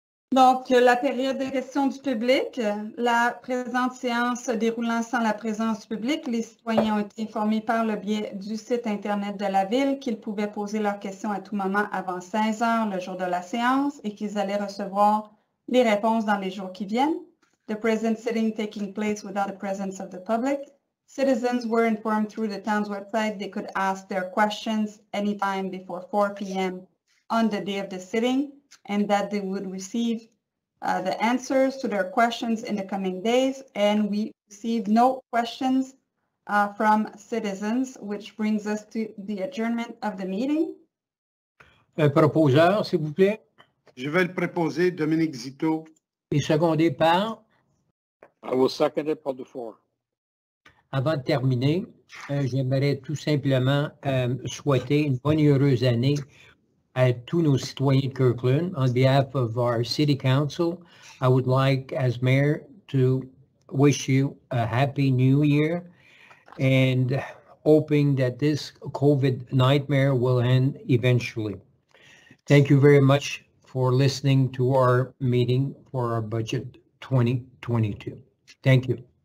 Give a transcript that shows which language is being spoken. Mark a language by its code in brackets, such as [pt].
[fr] Donc, la période de questions du public, la présente séance se déroulant sans la présence du public, les citoyens ont été informés par le biais du site Internet de la Ville qu'ils pouvaient poser leurs questions à tout moment avant 16 heures le jour de la séance et qu'ils allaient recevoir les réponses dans les jours qui viennent. [en] The present sitting taking place without the presence of the public. Citizens were informed through the town's website they could ask their questions anytime before 4 p.m. on the day of the sitting and that they would receive the answers to their questions in the coming days. And we received no questions from citizens, which brings us to the adjournment of the meeting. [fr] Un proposeur, s'il vous plaît. Je vais le proposer, Dominique Zito. Et secondé par? [en] I will second it for the four. [fr] Avant de terminer, j'aimerais tout simplement souhaiter une bonne et heureuse année à tous nos citoyens de Kirkland. [en] On behalf of our City Council, I would like, as Mayor, to wish you a happy new year and hoping that this COVID nightmare will end eventually. Thank you very much for listening to our meeting for our budget 2022. Thank you.